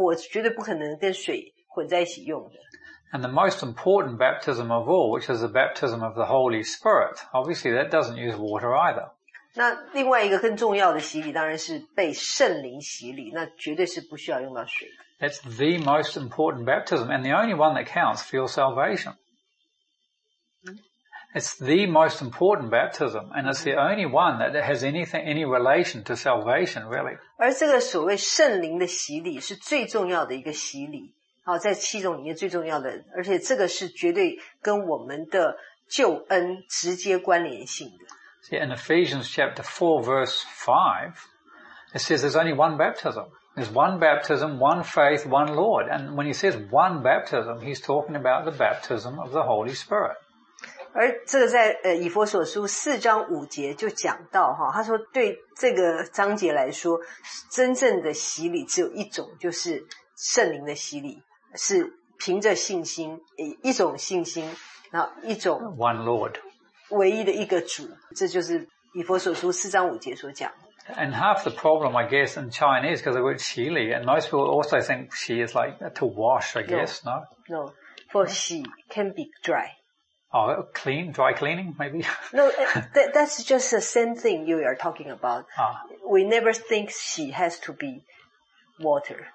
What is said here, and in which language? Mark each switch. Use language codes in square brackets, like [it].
[zh] 这四种不用水的洗礼称之为干洗，干洗的其中一种是用火，用火的洗礼，那火绝对不可能跟水混在一起用的。 [en] And the most important baptism of all, which is the baptism of the Holy Spirit, obviously that doesn't use water either. [zh] 那另外一个更重要的洗礼当然是被圣灵洗礼，那绝对是不需要用到水的。 [en] That's the most important baptism, and the only one that counts for your salvation. It's the most important baptism, and it's the only one that has any relation to salvation, really. [zh] 而这个所谓圣灵的洗礼是最重要的一个洗礼，好，在七种里面最重要的，而且这个是绝对跟我们的救恩直接关联性的。 [en] See, in Ephesians chapter 4, verse 5, it says there's only one baptism. There's one baptism, one faith, one Lord. And when he says one baptism, he's talking about the baptism of the Holy Spirit. [zh] 而这个在以弗所书四章五节就讲到哈，他说对这个章节来说，真正的洗礼只有一种，就是圣灵的洗礼，是凭着信心，一种信心，然后一种 [en] one Lord， [zh] 唯一的一个主，这就是以弗所书四章五节所讲的。 [en] And half the problem, I guess, in Chinese, because the word 洗礼 and most people also think 洗 is like to wash, I guess, no? No, for 洗 can be dry. Oh, clean, dry cleaning, maybe? No, that's just the same thing you are talking about.、We never think 洗 has to be water.